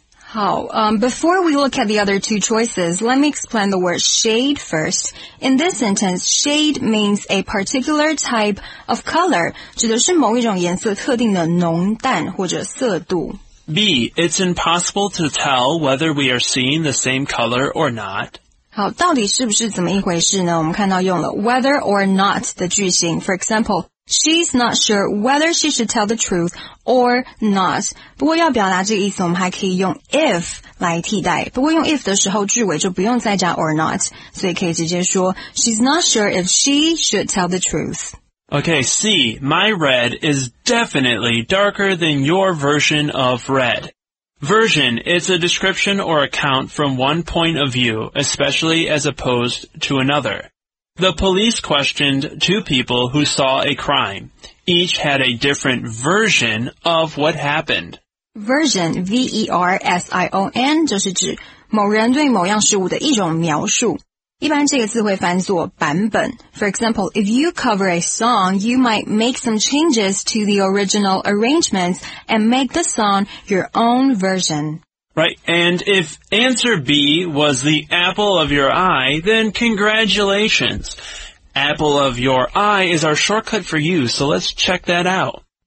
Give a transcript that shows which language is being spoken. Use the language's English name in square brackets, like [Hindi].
[English] 好，before we look at the other two choices, let me explain the word shade first. In this sentence, shade means a particular type of color, [Chinese] 指的是某一种颜色特定的浓淡或者色度。 [English] B, it's impossible to tell whether we are seeing the same color or not. [Chinese] 好，到底是不是怎么一回事呢？我们看到用了 [English] whether or not [Chinese] 的句型。 [English] For example, she's not sure whether she should tell the truth or not. [Chinese] 不过要表达这个意思，我们还可以用 if 来替代。不过用 if 的时候，句尾就不用再加 [English] or not， [Chinese] 所以可以直接说 [English] she's not sure if she should tell the truth. Okay, C, my red is definitely darker than your version of red. Version is a description or account from one point of view, especially as opposed to another. The police questioned two people who saw a crime. Each had a different version of what happened. [Chinese] Version, V-E-R-S-I-O-N, 就是指某人对某样事物的一种描述。一般这个字会翻作版本。 [English] For example, if you cover a song, you might make some changes to the original arrangements and make the song your own version. Right, and if answer B was the apple of your eye, then congratulations. Apple of your eye is our shortcut for you, so let's check that out.